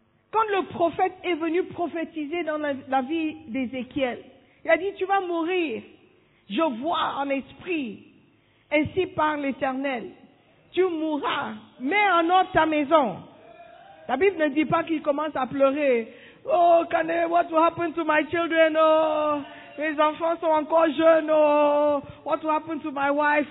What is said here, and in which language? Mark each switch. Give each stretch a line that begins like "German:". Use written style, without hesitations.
French: Quand le prophète est venu prophétiser dans la vie d'Ézéchiel, il a dit, tu vas mourir. Je vois en esprit. Ainsi parle l'Éternel. Tu mourras. Mets en ordre ta maison. La Bible ne dit pas qu'il commence à pleurer.
English: Oh, what will happen to my children?
French: Oh, mes enfants sont encore jeunes.
English: Oh, what will happen to my wife?